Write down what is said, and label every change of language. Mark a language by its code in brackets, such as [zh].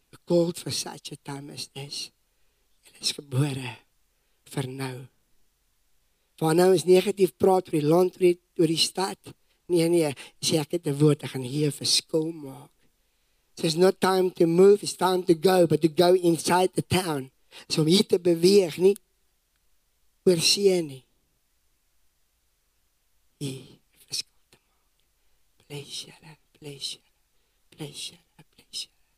[en] Called for such a time as this. [af] Julle is gebore vir nou. Waar nou is negatief praat oor die land, oor die stad. Nee, sê ek het 'n woord, ek gaan hier 'n verskil maak. [en] So it's not time to move, it's time to go, but to go inside the town. [af] So om hier te beweeg, nie, oor see nie. Hier, verskil te maak. [en] Bless you, bless you, bless you, bless you.